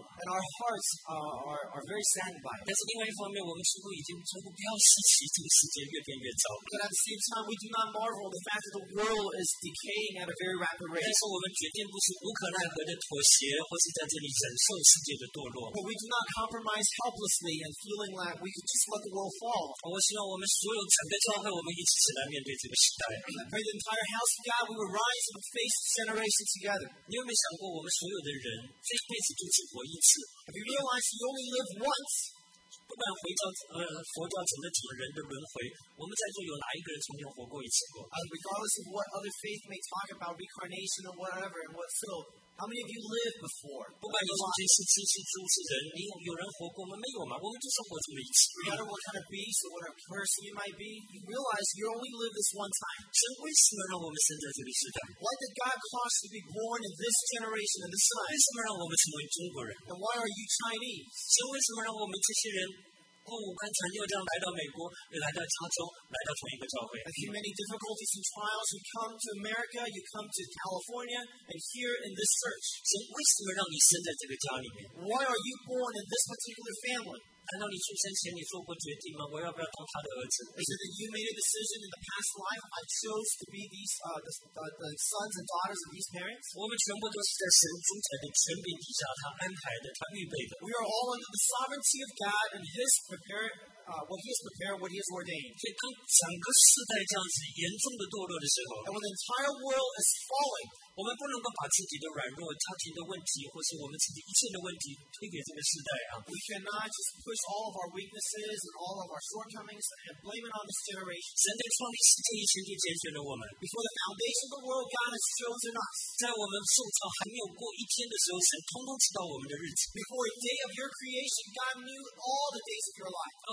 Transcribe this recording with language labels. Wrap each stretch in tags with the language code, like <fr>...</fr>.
<en>And our hearts are very saddened by it.</en> <zh>但是另外一方面，我们似乎已经说不要稀奇，这个世界越变越糟。</zh> <en>But at the same time, we do not marvel the fact that the world is decaying at a very rapid rate.</en> <zh>但是我们决定不是无可奈何的妥协，或是在这里忍受世界的堕落。</zh> <en>But we do not compromise helplessly and feeling like we could just let the world fall.</en> <zh>我希望我们所有整个教会，我们一起起来面对这个时代。</zh> <en>I pray the entire house of God would rise and face this generation together.</en> <zh>你有没有想过，我们所有的人这一辈子就只活一次？</zh> <en>Have you realized you only live once?</en> <zh>不管回教佛教讲的整个人的轮回，我们在座有哪一个人曾经活过一次过？</zh> <en>Regardless of what other faith may talk about reincarnation or whatever and what so, how many of you lived before?</en> <zh>不管你中间是机器、猪是人，你有人活过吗？没有嘛，我们就是活这么一次。</zh> <en>No matter what kind of beast or what a person you might be, you realize you only live this one time.</en> <zh>神为什么让我们生在这个时代？</zh> <en>Why did God cause to be born in this generation and this time?</en> <zh>为什么让我们成为中国人？</zh> <en>And why are you Chinese?</en> <zh>神为什么让我们这些人过五关斩六将来到美国，又来到加州，来到同一个教会。</zh> <en>I see many difficulties and trials. You come to America, you come to California, and here in this church.</en> <zh>神为什么让你生在这个家里面</zh> <en>？Why are you born in this particular family？</en> <zh>难道你出生前你做过决定吗？我要不要当他的儿子</zh> <en>？Is it that you made a decision in the past life? I chose to be these the sons and daughters of these parents.</en> <zh>我们全部都是在神主宰的权柄底下，他安排的，他预备的。</zh> <en>We are all under the sovereignty of God and His prepared. What He has prepared, what He has ordained.</en> <zh>所以当整个世代这样子严重的堕落的时候</zh> <en>，And when the entire world is falling.</en> <zh>我们不能够把自己的软弱、家庭的问题，或是我们自己一切的问题推给这个世代啊。</zh> <en>We cannot just push all of our weaknesses and all of our shortcomings and blame it on this generation.</en> <zh>神在创立世界以前就拣选了我们。</zh> <en>Before the foundation of the world, God has chosen us.</en> <zh>在我们受造还没有过一天的时候，神通通知道我们的日子。</zh> <en>Before the day of your creation, God knew all the days of your life.</en>